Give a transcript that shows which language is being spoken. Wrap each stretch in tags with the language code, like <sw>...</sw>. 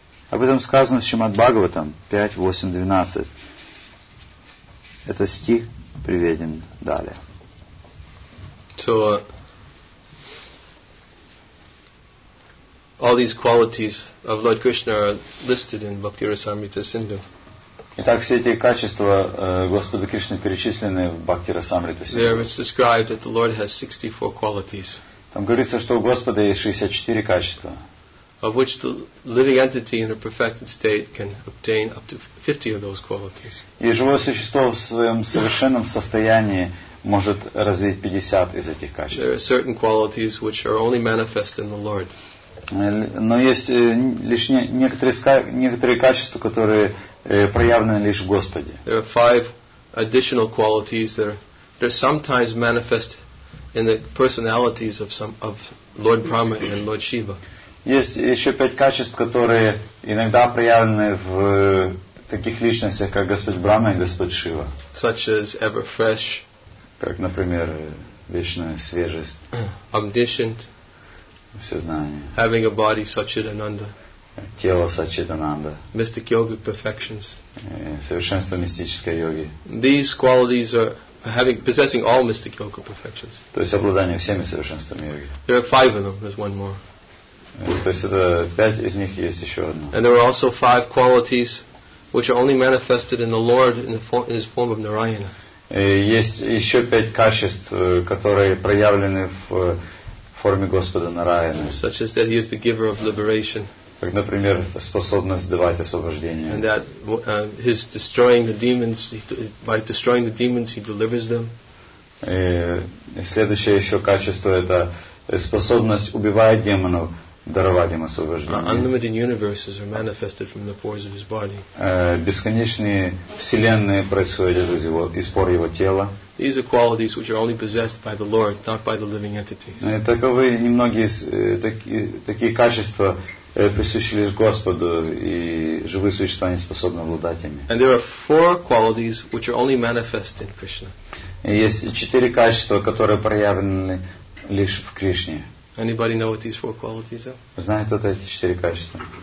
<ru>Об этом сказано в Шримад-Бхагаватам 5.8.12. Этот стих приведен далее.</ru> <en>So, all these qualities of Lord Krishna are listed in Bhakti-rasamrita Sindhu.</en> <ru>Итак, все эти качества Господа Кришны перечислены в Бхакти-расамрите.</ru> <en>There it's described that the Lord has 64 qualities.</en> <ru>Там говорится, что у Господа есть 64 качества.</ru> <en>Of which the living entity in a perfected state can obtain up to 50 of those qualities.</en> <ru>И живое существо в своем совершенном состоянии может развить 50 из этих качеств.</ru> <en>There are certain qualities which are only manifest in the Lord.</en> <ru>Но есть лишь некоторые качества, которые проявлены лишь в Господе.</ru> <en>There are five additional qualities that are sometimes manifest in the personalities of some of Lord Brahma and Lord Shiva.</en> <ru>Есть еще пять качеств, которые иногда проявлены в таких личностях, как Господь Брама и Господь Шива.</ru> <en>Such as ever fresh.</en> <ru>Как, например, вечная свежесть.</ru> <en>Omniscient.</en> <ru>Всезнание.</ru> <en>Having a body Satchitananda.</en> <ru>Тело Сачидананда.</ru> <en>Mystic yogic perfections.</en> <ru>Совершенство мистической йоги.</ru> <en>These qualities are having, possessing all mystic yoga perfections.</en> <ru>То есть обладание всеми совершенствами йоги.</ru> <en>There are five of them. There's one more.</en> <ru>То есть это пять из них есть еще одно.</ru> <en>And there are also five qualities which are only manifested in the Lord in his form of Narayana.</en> <ru>Есть еще пять качеств, которые проявлены в форме Господа Нараяны.</ru> <en>Such as that he is the giver of liberation.</en> <ru>Как, например, способность давать освобождение.</ru> <en>And that his destroying the demons, by destroying the demons, he delivers them.</en> <ru>И следующее еще качество – это способность убивать демонов, даровать им освобождение.</ru> <en>Unlimited universes are manifested from the pores of his body.</en> <ru>Бесконечные вселенные происходят из его, из пор его тела.</ru> <en>These are qualities which are only possessed by the Lord, not by the living entities.</en> <ru>Таковы немногие такие качества, присущи лишь Господу, и живые существа не способны обладать ими.</ru> <en>And there are four qualities which are only manifest in Krishna.</en> <ru>Есть четыре качества, которые проявлены лишь в Кришне.</ru> <en>Anybody know what these four qualities are?</en> <ru>Знает кто-то эти четыре качества?</ru>